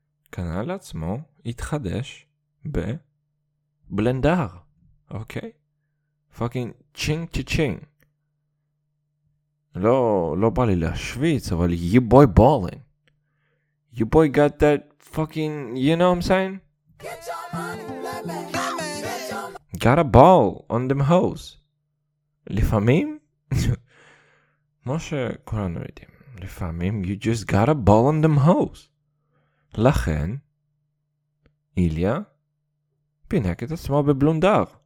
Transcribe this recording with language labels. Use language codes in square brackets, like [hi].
[he] קנה לעצמו, התחדש בבלנדר, אוקיי? [en] Fucking ching to ching. [he] לא בא לי להשוויץ, אבל [en] you boy ballin. You boy got that fucking, you know what I'm saying? Got a ball on them hoes. [he] לפעמים? מה שכולנו יודעים. לפעמים [en] you just got a ball on them hoes. [he] לכן, איליה פינק את עצמו בבלונדר.